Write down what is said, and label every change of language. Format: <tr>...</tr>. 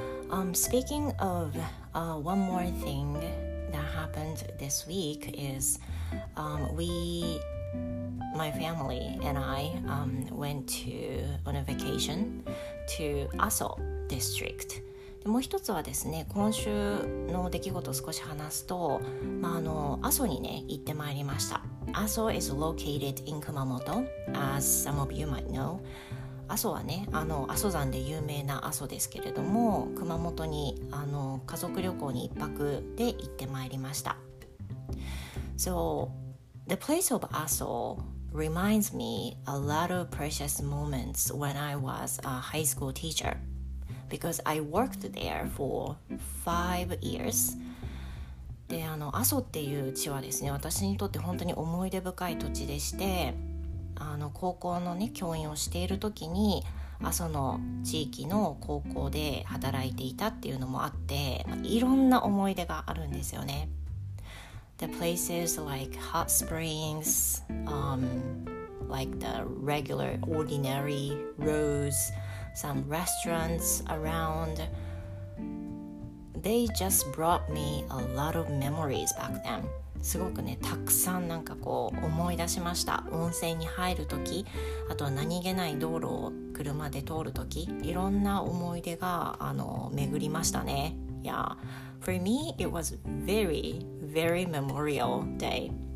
<en>And, speaking of one more thing that happened this week is my family and I went to on a vacation to Aso district.</en> <ja>でもう一つはですね、今週の出来事を少し話すと、阿蘇にね、行ってまいりました。</ja> <en>阿蘇 is located in Kumamoto, as some of you might know.</en> <ja>阿蘇はね、阿蘇山で有名な阿蘇ですけれども、熊本に家族旅行に一泊で行ってまいりました。</ja> <en>So, the place of 阿蘇reminds me a lot of precious moments when I was a high school teacher, because I worked there for 5 years.</en> <ja>で、阿蘇っていう地はですね、私にとって本当に思い出深い土地でして、高校のね、教員をしている時に阿蘇の地域の高校で働いていたっていうのもあって、いろんな思い出があるんですよね。</ja> <en>The places like hot springs, like the regular ordinary roads, some restaurants around, they just brought me a lot of memories back then.</en> <ja>すごくね、たくさんなんかこう思い出しました。温泉に入るとき、あとは何気ない道路を車で通るとき、いろんな思い出が巡りましたね。</ja> <en>Yeah, for me, it was very, very memorial day.</en>